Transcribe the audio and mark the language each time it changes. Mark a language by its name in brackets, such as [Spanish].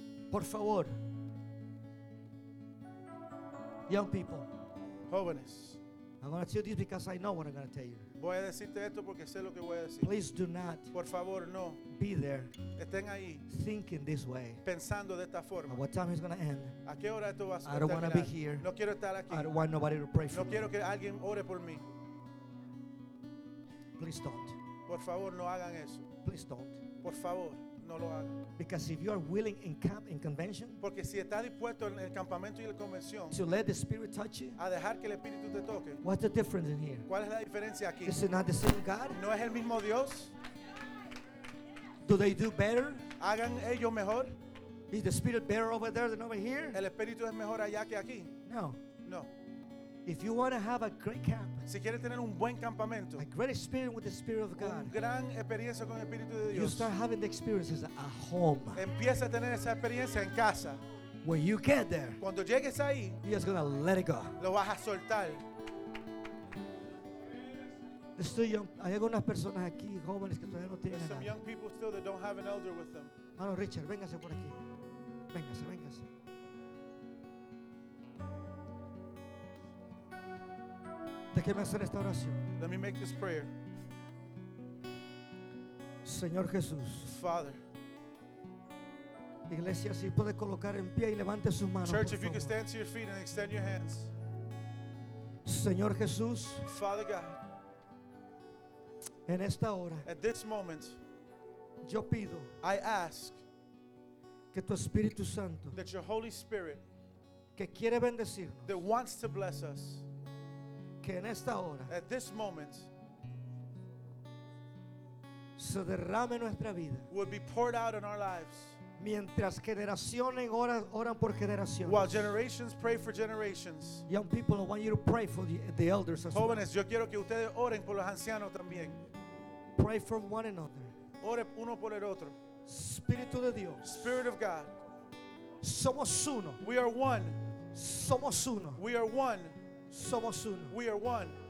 [Spanish] Por favor, [English] young people, [Spanish] jóvenes, [English] I'm going to tell you this because I know what I'm going to tell you. [Spanish] Voy a decirte esto porque sé lo que voy a decir. [English] Please do not, [Spanish] por favor, no, [English] be there, [Spanish] estén ahí, [English] thinking this way, [Spanish] pensando de esta forma. [English] What time is going to end? [Spanish] ¿A qué hora esto va a terminar? [English] I don't want to be here. [Spanish] No quiero estar aquí. [English] I don't want nobody to pray for me. [Spanish] No quiero que alguien ore por mí. [English] Please don't. [Spanish] Por favor, no hagan eso. [English] Please don't. [Spanish] Por favor. [English] Because if you are willing in camp in convention, [Spanish] porque si está dispuesto en el campamento y la convención, [English] to let the Spirit touch you, [Spanish] a dejar que el Espíritu te toque, [English] what's the difference in here? [Spanish] ¿Cuál es la diferencia aquí? [English] Is it not the same God? [Spanish] ¿No es el mismo Dios? [English] Do they do better? [Spanish] ¿Hagan ellos mejor? [English] Is the Spirit better over there than over here? [Spanish] ¿El Espíritu es mejor allá que aquí? [English] No. [Spanish] No. [English] If you want to have a great camp, [Spanish] si quieres tener un buen campamento, [English] a great experience with the Spirit of God, [Spanish] un gran experiencia con el Espíritu de Dios, [English] you start having the experiences at home. [Spanish] Empieza a tener esa experiencia en casa. [English] When you get there, [Spanish] cuando llegues ahí, [English] you're just gonna let it go. [Spanish] Lo vas a soltar. Estoy [English] young, [Spanish] hay algunas personas aquí jóvenes que todavía no tienen. [English] There's some young people still that don't have an elder with them. [Spanish] Hermano Richard, véngase por aquí. Véngase, véngase. Déjeme hacer esta oración. [English] Let me make this prayer. [Spanish] Señor Jesús. [English] Father. [Spanish] Iglesia, si puede colocar en pie y levante sus manos. [English] Church, if [Spanish] favor. [English] You can stand to your feet and extend your hands. [Spanish] Señor Jesús. [English] Father God. [Spanish] En esta hora. [English] At this moment. [Spanish] Yo pido. [English] I ask. [Spanish] Que tu Espíritu Santo. [English] That your Holy Spirit. [Spanish] Que quiere bendecir. [English] That wants to bless us. [Spanish] Que en esta hora, [English] at this moment, [Spanish] se derrame nuestra vida, [English] will be poured out in our lives, [Spanish] mientras generaciones oran por generaciones, [English] while generations pray for generations. Young people, I want you to pray for the elders as [Spanish] jóvenes, [English] well. [Spanish] Yo quiero que ustedes oren por los ancianos también. [English] Pray for one another. [Spanish] Ore uno por el otro. Espíritu de Dios. [English] Spirit of God. [Spanish] Somos uno. [English] We are one. [Spanish] Somos uno. [English] We are one. [Spanish] Somos uno. [English] We are one.